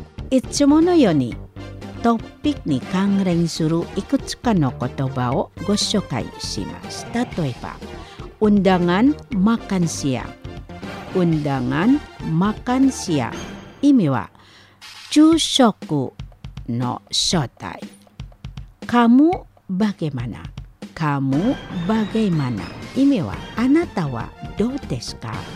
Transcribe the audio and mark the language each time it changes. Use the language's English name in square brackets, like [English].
[Japanese] いつものようにトピックに関連するいくつかの言葉をご紹介します。例えば [Indonesian] undangan makan siang、 undangan makan siang [Japanese] 意味は昼食の招待。 [Indonesian] Kamu bagaimana? Kamu bagaimana? [Japanese] 意味はあなたはどうですか?